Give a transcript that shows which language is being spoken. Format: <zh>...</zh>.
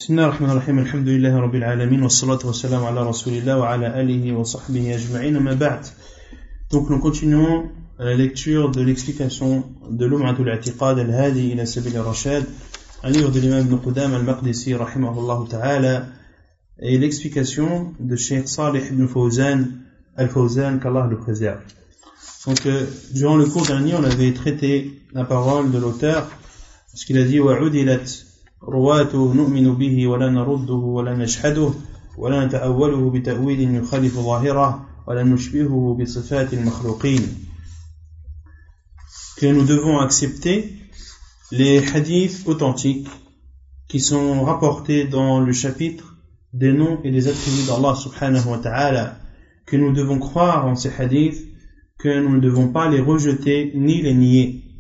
<ar>بسم الله الرحمن الرحيم الحمد لله رب العالمين والصلاة والسلام على رسول الله وعلى آله وصحبه أجمعين ما بعد.</ar> <fr>Donc nous continuons la lecture de l'explication de لمعة الاعتقاد الهادي إلى سبيل الرشاد un livre de l'imam ابن قدامة المقدسي رحمه الله تعالى et l'explication de Cheikh Salih ibn Fawzan Al-Fawzan qu'Allah le préserve.</fr> <ar>Donc durant le cours dernier on avait traité la parole de l'auteur parce qu'il a dit وعدلت رواته نؤمن به ولا نرده ولا نشهده ولا نتأوله بتأويل يخالف ظاهره ولا نشبهه بصفات المخلوقين.</ar> <fr>Que nous devons accepter les hadiths authentiques qui sont rapportés dans le chapitre des noms et des attributs d'Allah subhanahu wa ta'ala. Que nous devons croire en ces hadiths, que nous ne devons pas les rejeter ni les nier.</fr>